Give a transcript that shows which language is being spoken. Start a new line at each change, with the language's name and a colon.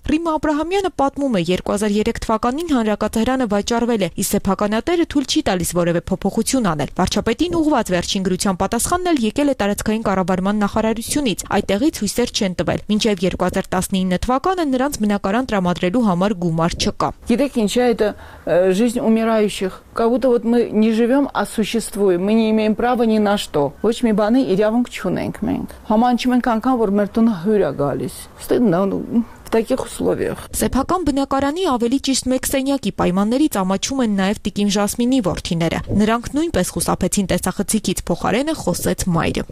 Armenian: Ռիմա Աբրահամյանը պատմում է, 2003 թվականին հանրակացարանը վաճառվել է, իսկ սեփականատերը թույլ չի տալիս որևէ փոփոխություն անել։ Վարչապետին ուղված վերջին գրության պատասխանն էլ եկել է տարածքային կառավարման նախարարությունից, այդտեղից հույսեր չեն տվել։ Մինչև 2019 թվականը նրանց բնակարան տրամադրելու համար գումար չկա։ Գիտեք ինչ է, այդ
Russian: жизнь умирающих, как будто вот мы не живём, а существуем, мы не имеем права ни на что.
Armenian: Ոչ մի բանի իրավունք չունենք մենք։ Համանչում ենք անգամ, որ մեր տունը հյուր ա գալիս։ Սեփական բնակարանի ավելի ճիշտ մեկ սենյակի պայմաններից ամաչում են նաև տիկին Ժասմինի որդիները։ Նրանք նույնպես խուսափեցին տեսախցիկից, փոխարենը խոսեց մայրը։